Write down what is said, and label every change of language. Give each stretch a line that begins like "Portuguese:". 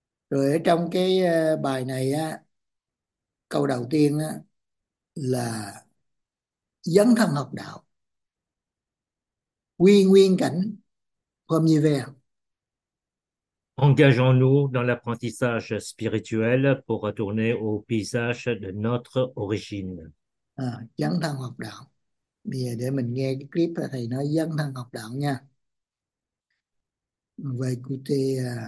Vietnamese: Rồi ở trong cái bài này á, câu đầu tiên á là dấn thân học đạo, quy nguyên cảnh hôm như vậy.
French: Engageons-nous dans l'apprentissage spirituel pour retourner au paysage de notre origine.
Vietnamese: À, dấn thân học đạo. Bây giờ để mình nghe cái clip thầy nói dấn thân học đạo nha. Về cụ thể